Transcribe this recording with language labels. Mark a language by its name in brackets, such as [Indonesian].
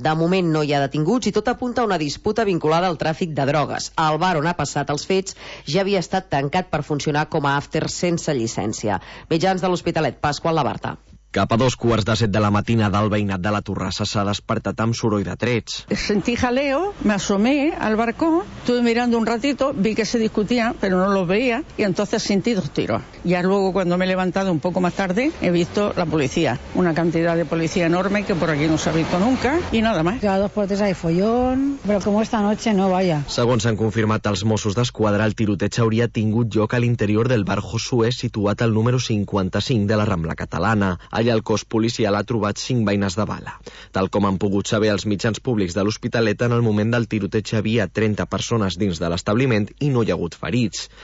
[Catalan] De moment no hi ha detinguts i tot apunta a una disputa vinculada al tràfic de drogues. El bar on ha passat els fets ja havia estat tancat per funcionar com a after sense llicència. Mitjans de l'Hospitalet, Pasqual Labarta. Cap a 6:45 de la matina, del veïnat de la Torrassa s'ha despertat amb soroll de trets. [Spanish] Sentí jaleo, me asomé al barco, estuve mirando un ratito, vi que se discutía, pero no lo veía, y entonces sentí dos tiros. Ya luego, cuando me he levantado un poco más tarde, he visto la policía, una cantidad de policía enorme que por aquí no se ha visto nunca, y nada más. Cada dos puertas hay follón, pero como esta noche no vaya. [Catalan] Segons han confirmat els Mossos d'Esquadra, el tiroteig hauria tingut lloc a l'interior del bar Josué, situat al número 55 de la Rambla Catalana. Allà el cos policial ha trobat 5 beines de bala. Tal com han pogut saber els mitjans públics de l'Hospitalet, en el moment del tiroteig hi havia 30 persones dins de l'establiment i no hi ha hagut ferits.